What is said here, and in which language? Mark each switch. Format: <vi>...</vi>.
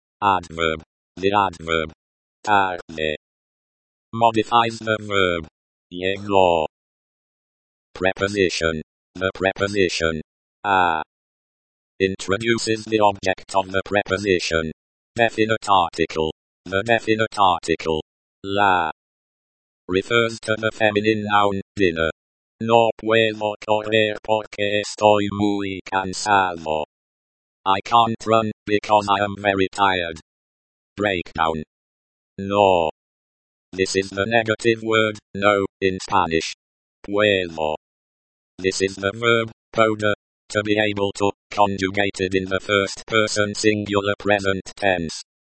<en>Adverb. The adverb. Tarde. Modifies the verb. Llegó. Preposition. The preposition. A. Introduces the object of the preposition. Definite article. The definite article. La. Refers to the feminine noun, dinner.</en> <es>No puedo correr porque estoy muy cansado.</es> <en>I can't run because I am very tired. Breakdown. No. This is the negative word, no, in Spanish. Puedo. This is the verb, poder, to be able to, conjugated in the first person singular present tense.</en>